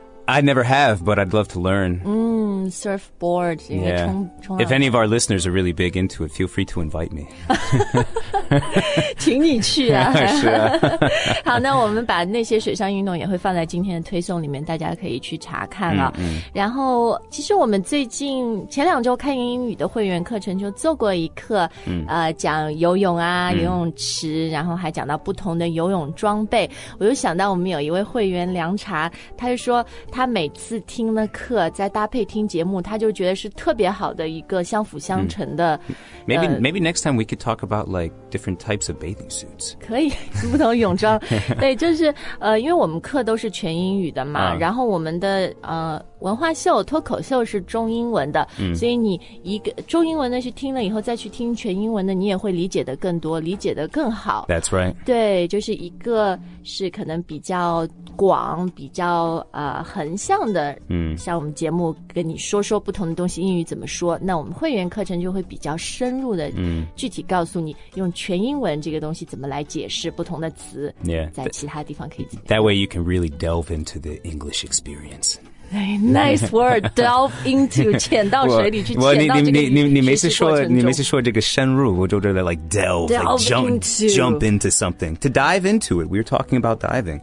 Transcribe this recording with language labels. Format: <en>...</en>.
<en>I never have, but I'd love to learn. Surfboard. Yeah. If any of our listeners are really big into it, feel free to invite me.</en> <zh>请你去啊。是啊。好，那我们把那些水上运动也会放在今天的推送里面，大家可以去查看啊。然后其实我们最近前两周开英语的会员课程就做过一课，讲游泳啊，游泳池，然后还讲到不同的游泳装备。我就想到我们有一位会员凉茶，他就说他每次听了课再搭配听节目，他就觉得是特别好的一个相辅相成的。</zh> <en>Maybe next time we could talk about like different types of bathing suits.</en> <zh>可以，不同泳装。对，就是因为我们课都是全英语的嘛，然后我们的文化秀脱口秀是中英文的，所以你一个中英文的去听了以后再去听全英文的，你也会理解的更多，理解的更好。</zh> <en>That's right.</en> <zh>对，就是一个是可能比较广，比较横向的，像我们节目跟你说说不同的东西英语怎么说，那我们会员课程就会比较深入的具体告诉你用全英文这个东西怎么来解释不同的词。</zh> <en>Yeah.</en> <zh>在其他地方可以怎么</zh> <en>样。 That way you can really delve into the English experience. Nice word, delve into,</en> <zh>潜到水里去潜到这个学习过程中。你每次说这个深入，我就觉得</zh> <en>like delve into something. To dive into it, we're talking about diving.</en>